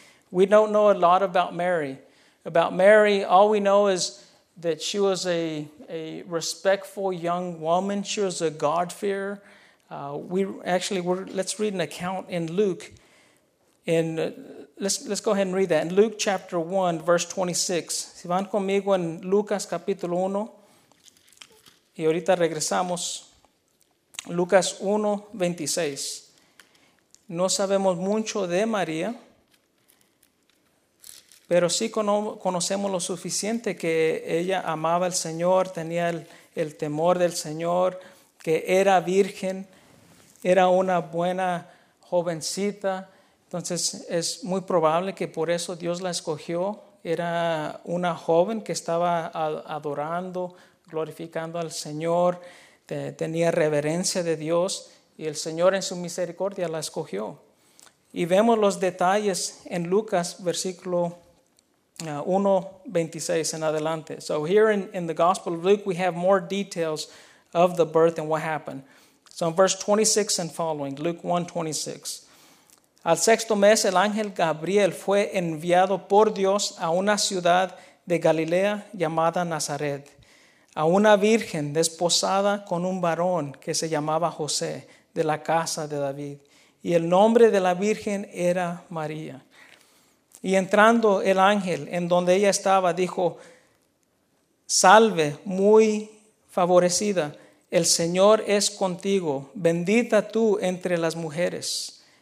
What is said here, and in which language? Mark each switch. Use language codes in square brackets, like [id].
[en] We don't know a lot about Mary. About Mary, all we know is that she was a respectful young woman. She was a God-fearer. Let's read an account in Luke. Let's go ahead and read that. In Luke chapter 1, verse 26. [es] Si van conmigo en Lucas capítulo 1, y ahorita regresamos. Lucas 1, 26. No sabemos mucho de María, pero sí conocemos lo suficiente que ella amaba al Señor, tenía el temor del Señor, que era virgen, era una buena jovencita. Entonces es muy probable que por eso Dios la escogió. Era una joven que estaba adorando, glorificando al Señor, tenía reverencia de Dios y el Señor en su misericordia la escogió. Y vemos los detalles en Lucas, versículo 1:26 en adelante. [en] So here in the Gospel of Luke, we have more details of the birth and what happened. So in verse 26 and following, Luke 1:26. [es] Al sexto mes, el ángel Gabriel fue enviado por Dios a una ciudad de Galilea llamada Nazaret, a una virgen desposada con un varón que se llamaba José, de la casa de David. Y el nombre de la virgen era María. Y entrando el ángel en donde ella estaba, dijo, salve, muy favorecida, el Señor es contigo, bendita tú entre las mujeres.